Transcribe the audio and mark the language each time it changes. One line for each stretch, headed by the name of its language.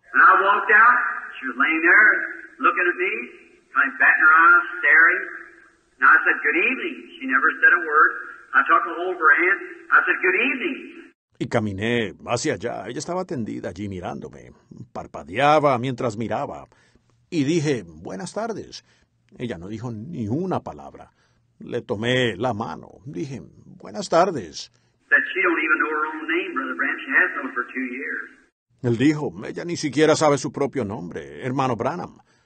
English: And I walked out, she was laying there, looking at me, kind of batting her eyes, staring. And I said, good evening. She never said a word. I took a hold of her hand. I said, good evening.
Spanish: Y caminé hacia allá. Ella estaba tendida allí mirándome. Parpadeaba mientras miraba. Y dije, buenas tardes. Ella no dijo ni una palabra. Le tomé la mano. Dije, buenas tardes.
English: She don't even know her own name, Brother Branham. She has known for 2 years.
Spanish: Él dijo, ella ni siquiera sabe su propio nombre, hermano Branham.